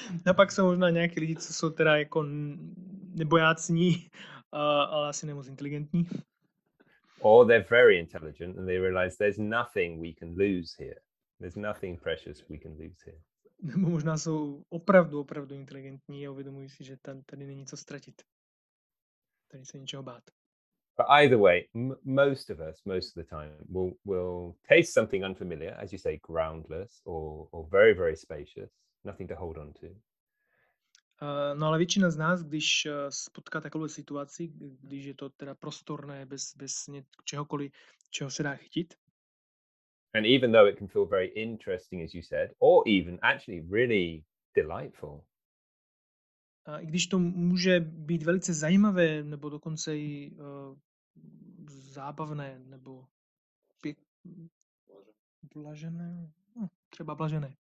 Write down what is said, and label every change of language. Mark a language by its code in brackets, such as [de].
[cs] A pak jsou možná nějaký lidi, co jsou teda jako nebojácní, ale asi nemoc inteligentní. [en] Or they're very intelligent and they realize there's nothing we can lose here. There's nothing precious we can lose here. [cs] Nebo možná jsou opravdu inteligentní a uvědomují si, že tady není co ztratit. Tady se ničeho bát. [en] But either way, most of us, most of the time, will taste something unfamiliar, as you say, groundless or very, very spacious, nothing to hold on to. [cs] No ale většina z nás, když spotká takovou situaci, když je to teda prostorné, bez čehokoliv, čeho se dá chytit. [en] And even though it can feel very interesting, as you said, or even actually really delightful. [cs] A i když to může být velice zajímavé, nebo dokonce i zábavné, nebo blažené, no, třeba blažené.